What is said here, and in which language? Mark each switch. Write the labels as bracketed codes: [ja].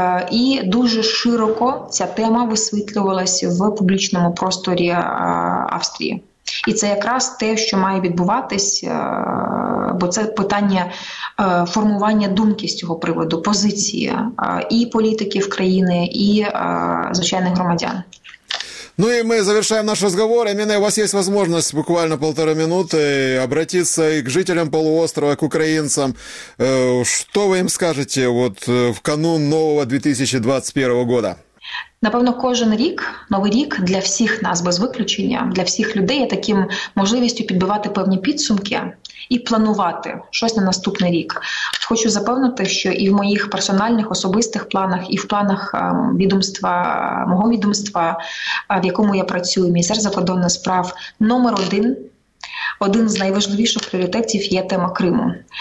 [uk] І дуже широко ця тема висвітлювалася в публічному просторі Австрії. І це якраз те, що має відбуватись, бо це питання формування думки з цього приводу, позиції і політиків країни, і звичайних громадян. [ru] Ну и мы завершаем наш разговор. Именно у вас есть возможность буквально полтора минуты обратиться и к жителям полуострова, к украинцам. Что вы им скажете вот в канун нового 2021 года? [uk] Напевно, кожен рік, новий рік для всіх нас без виключення, для всіх людей є таким можливістю підбивати певні підсумки і планувати щось на наступний рік. Хочу запевнити, що і в моїх персональних особистих планах, і в планах відомства, мого відомства, в якому я працюю, Міністерство закордонних справ, номер один – один з найважливіших пріоритетів є тема Криму.